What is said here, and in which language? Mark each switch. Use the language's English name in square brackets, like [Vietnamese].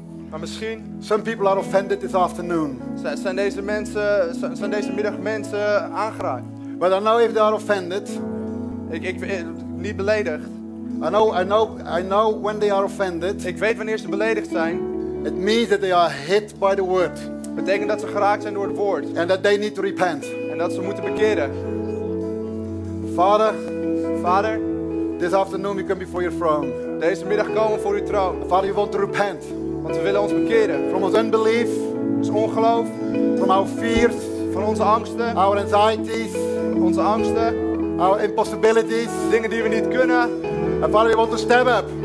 [Dutch] Maar misschien. [English] Some people are offended this afternoon. [Dutch] Zijn deze middag mensen aangeraakt? [English] But I know if they are offended. [Dutch] Ik niet beledigd. [English] I know when they are offended. [Dutch] Ik weet wanneer ze beledigd zijn. [English] It means that they are hit by the word. [Dutch] Betekent dat ze geraakt zijn door het woord. [English] And that they need to repent. [Dutch] En dat ze moeten bekeren. [English] Father, this afternoon we come before your throne. [Dutch] Deze middag komen voor uw troon. [English] Father, we want to repent. [Dutch] Want we willen ons bekeren. [English] From our unbelief, [Dutch] ons ongeloof. [English] From our fears, [Dutch] van onze angsten. [English] Our anxieties, [Dutch] onze angsten. [English] Our impossibilities, [Dutch] dingen die we niet kunnen. [English] And Father, we want to step up.